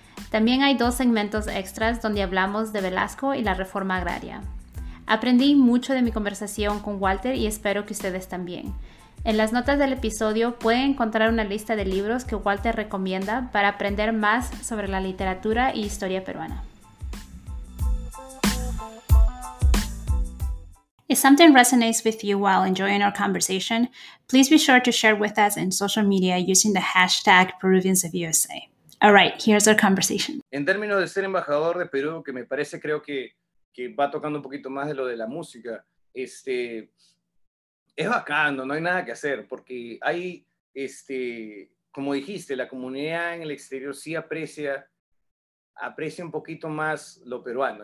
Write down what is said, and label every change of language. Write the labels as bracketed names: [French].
[Spanish] También hay dos segmentos extras donde hablamos de Velasco y la reforma agraria. Aprendí mucho de mi conversación con Walter y espero que ustedes también. En las notas del episodio pueden encontrar una lista de libros que Walter recomienda para aprender más sobre la literatura y historia peruana. [English] If something resonates with you while enjoying our conversation, please be sure to share with us in social media using the hashtag Peruvians of USA. All right, here's our conversation. [Spanish] En términos de ser embajador de Perú, que me parece, creo que va tocando un poquito más de lo de la música, es bacán, no hay nada que hacer, porque hay, como dijiste, la comunidad en el exterior sí aprecia un poquito más lo peruano.